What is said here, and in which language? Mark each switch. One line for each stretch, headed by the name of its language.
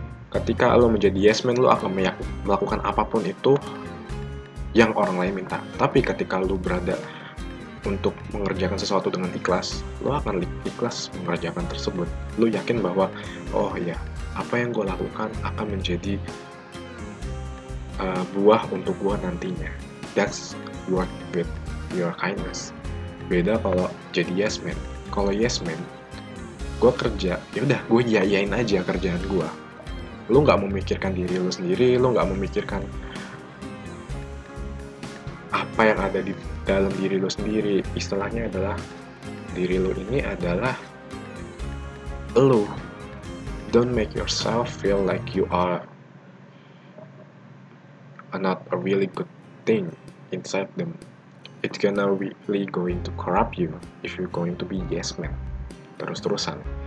Indonesian: Ketika lo menjadi yes man, lo akan melakukan apapun itu yang orang lain minta. Tapi ketika lo berada untuk mengerjakan sesuatu dengan ikhlas, lo akan ikhlas mengerjakan tersebut. Lo yakin bahwa, oh ya, apa yang gue lakukan akan menjadi buah untuk gue nantinya.
English: That's work with your kindness.
Indonesian: Beda kalau jadi yes man. Kalau yes man, gue kerja, yaudah gue yayain aja kerjaan gue. Lo gak memikirkan diri lo sendiri, lo gak memikirkan apa yang ada di dalam diri lo sendiri. Istilahnya adalah, diri lo ini adalah lo.
English: Don't make yourself feel like you are not a really good thing inside them. It's gonna really going to corrupt you if you're going to be yes man terus-terusan.